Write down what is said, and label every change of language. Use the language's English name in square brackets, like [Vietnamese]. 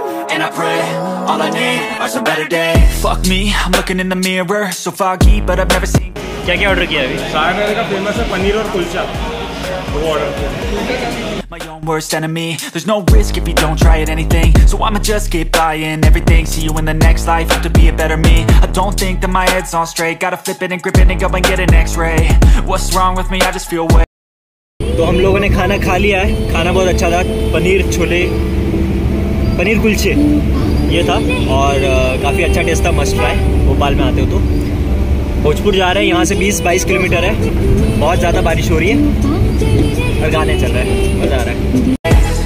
[English] And I pray, all I need are some better days. Fuck me, I'm looking in the mirror. So foggy, but I've never seen. [Hindi] क्या क्या order किया अभी? सागर का famous है पनीर और कुलचा, वो order किया। [English] My own worst enemy. There's no risk if you don't try it anything. So I'ma just keep buying everything. See you in the next life. Have to be a better me. I don't think that my head's on straight. Gotta flip it and grip it and go and get an X-ray. What's wrong with me? I just feel way. [Hindi] तो हम लोगों ने खाना खा लिया है। खाना बहुत अच्छा था। पनीर छोले, पनीर कुलचे ये था, और काफ़ी अच्छा टेस्ट था। मस्ट ट्राई भोपाल में आते हो तो। भोजपुर जा रहे हैं, यहाँ से 20-22 किलोमीटर है। बहुत ज़्यादा बारिश हो रही है और गाने चल रहे हैं, मज़ा आ रहा है।